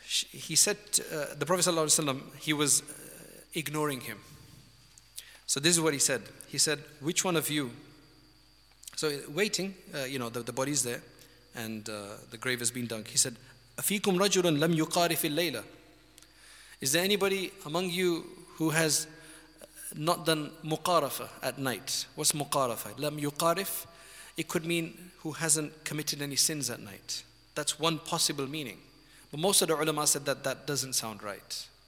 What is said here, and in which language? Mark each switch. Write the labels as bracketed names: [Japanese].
[English] He said, the Prophet sallallahu alayhi wa sallam, he was ignoring him. So this is what he said. He said, which one of you? So waiting, the body's there and the grave has been dug. He said, [Arabic] أَفِيكُمْ رَجُلٌ لَمْ يُقَارِ فِي اللَّيْلَ. [English] Is there anybody among you who has not done muqarafa at night? What's muqarafa? Lam yuqarif, it could mean who hasn't committed any sins at night. That's one possible meaning. But most of the ulama said that doesn't sound right.